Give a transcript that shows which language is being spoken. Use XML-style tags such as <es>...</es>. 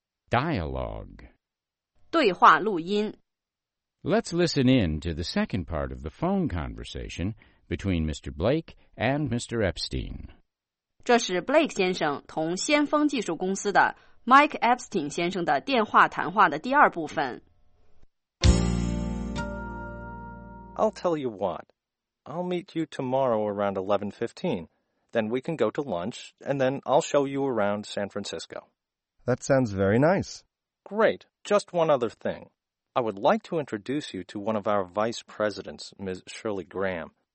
<en>Dialogue.</en> <zh>对话录音。</zh> <en>Let's listen in to the second part of the phone conversation between Mr. Blake and Mr. Epstein.</en> <zh>这是 Blake 先生同先锋技术公司的 Mike Epstein 先生的电话谈话的第二部分。</zh> <en>I'll tell you what. I'll meet you tomorrow around 11:15. Then we can go to lunch, and then I'll show you around San Francisco. That sounds very nice. Great. Just one other thing. I would like to introduce you to one of our vice presidents, Ms. Shirley Graham.</en>